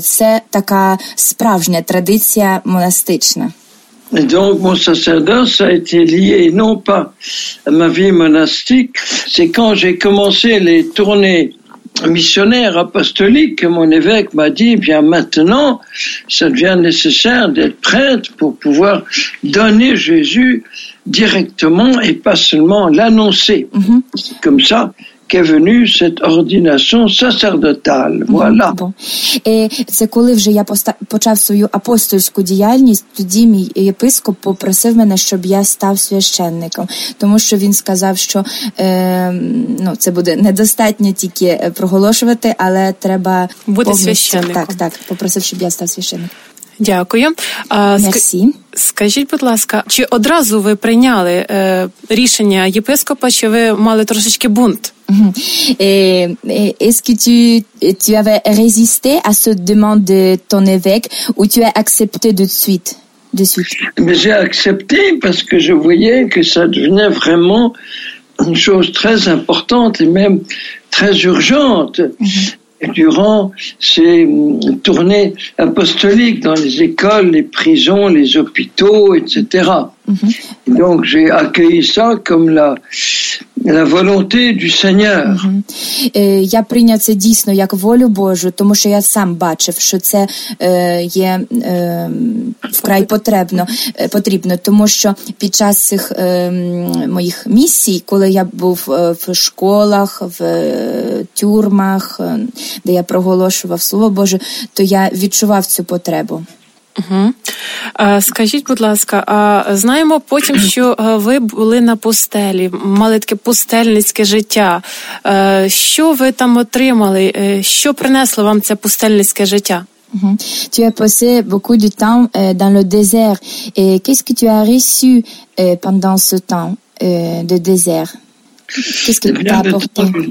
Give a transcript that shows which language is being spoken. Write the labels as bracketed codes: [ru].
[uk] Це така справжня традиція монастична. [fr] Donc mon sacerdoce a été lié non pas à ma vie monastique, c'est quand j'ai commencé les tournées missionnaire apostolique, mon évêque m'a dit, bien maintenant, ça devient nécessaire d'être prêtre pour pouvoir donner Jésus directement et pas seulement l'annoncer. C'est comme ça qu'est venue cette ordination sacerdotale. Voilà. Et c'est quand j'ai commencé mon apostolique [uk] діяльність, тоді мій єпископ попросив мене, щоб я став священником, тому що він сказав, що ну, це буде недостатньо тільки проголошувати, але треба бути священником. Так, так, попросив, щоб я став священником. Дякую. [fr] Merci. [uk] Скажіть, будь ласка, чи одразу ви прийняли рішення єпископа, чи ви мали трошечки бунт? [fr] Est-ce que tu avais résisté à cette demande de ton évêque ou tu as accepté de suite? Mais j'ai accepté parce que je voyais que ça devenait vraiment une chose très importante et même très urgente. Durant ces tournées apostoliques dans les écoles, les prisons, les hôpitaux, etc. Donc j'ai accueilli ça comme la volonté du Seigneur. [uk] Я прийняв це дійсно як волю Божу, тому що я сам бачив, що це є вкрай потрібно, тому що під час цих моїх місій, коли я був в школах, в тюрмах, де я проголошував Слово Боже, то я відчував цю потребу. Угу. Скажіть, будь ласка, знаємо потім, що ви були на пустелі, мали таке пустельницьке життя. Що ви там отримали? Що принесло вам це пустельницьке життя? [fr] Tu as passé beaucoup de temps dans le désert. Et qu'est-ce que tu as reçu pendant ce temps de désert? Qu'est-ce que tu as apporté?